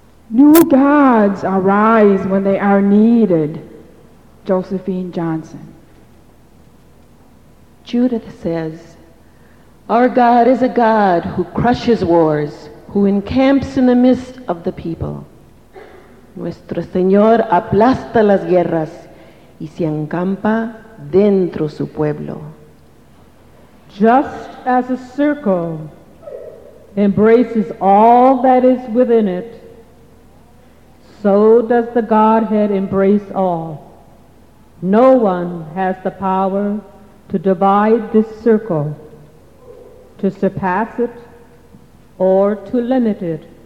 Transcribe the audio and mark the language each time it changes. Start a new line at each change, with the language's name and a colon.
English: New gods arise when they are needed. Josephine Johnson. Judith says, "Our God is a God who crushes wars, who encamps in the midst of the people.
Spanish: Nuestro Señor aplasta las guerras y se encampa dentro su pueblo."
English: Just as a circle embraces all that is within it, so does the Godhead embrace all. No one has the power to divide this circle, to surpass it, or to limit it.